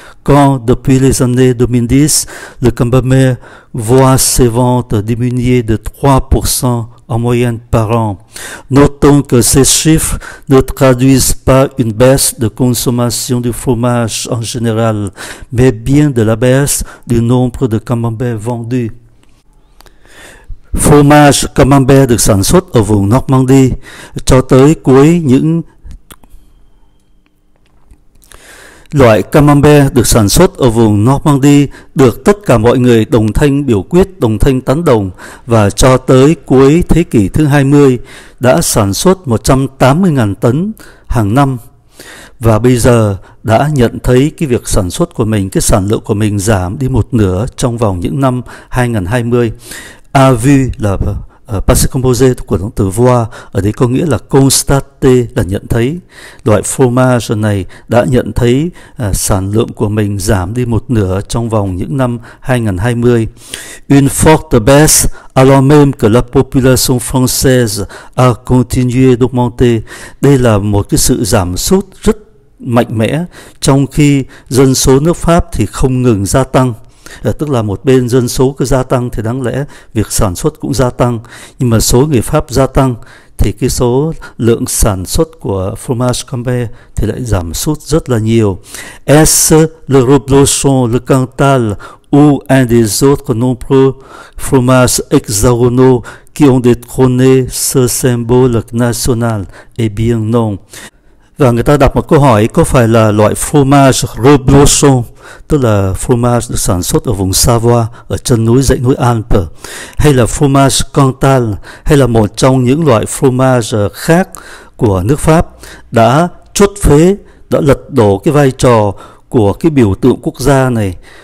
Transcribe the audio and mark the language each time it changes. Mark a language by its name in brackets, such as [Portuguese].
[French] Quand, depuis les années 2010, le camembert voit ses ventes diminuer de 3% en moyenne par an. Notons que ces chiffres ne traduisent pas une baisse de consommation du fromage en général, mais bien de la baisse du nombre de camemberts vendus. [Vietnamese] Fromage camembert được sản xuất ở vùng Normandie cho tới cuối những... Loại camembert được sản xuất ở vùng Normandie được tất cả mọi người đồng thanh biểu quyết, đồng thanh tán đồng, và cho tới cuối thế kỷ thứ 20 đã sản xuất 180.000 tấn hàng năm. Và bây giờ đã nhận thấy cái việc sản xuất của mình, cái sản lượng của mình giảm đi một nửa trong vòng những năm 2020. Avis là passé composé của động từ voir, ở đây có nghĩa là constater, là nhận thấy. Loại fromage này đã nhận thấy sản lượng của mình giảm đi một nửa trong vòng những năm 2020. [French] Une forte baisse, alors même que la population française a continué d'augmenter. [Vietnamese] Đây là một cái sự giảm sút rất mạnh mẽ, trong khi dân số nước Pháp thì không ngừng gia tăng. Tức là một bên dân số cứ gia tăng thì đáng lẽ việc sản xuất cũng gia tăng, nhưng mà số người Pháp gia tăng thì cái số lượng sản xuất của fromage Camembert thì lại giảm sút rất là nhiều. [French] Est-ce le Roblochon, le Cantal ou un des autres nombreux fromages hexagonaux qui ont détrôné ce symbole national? Eh bien non. [Vietnamese] Và người ta đặt một câu hỏi, có phải là loại fromage Roblochon, tức là fromage được sản xuất ở vùng Savoie, ở chân núi dãy núi Alpes, hay là fromage Cantal, hay là một trong những loại fromage khác của nước Pháp đã chốt phế, đã lật đổ cái vai trò của cái biểu tượng quốc gia này.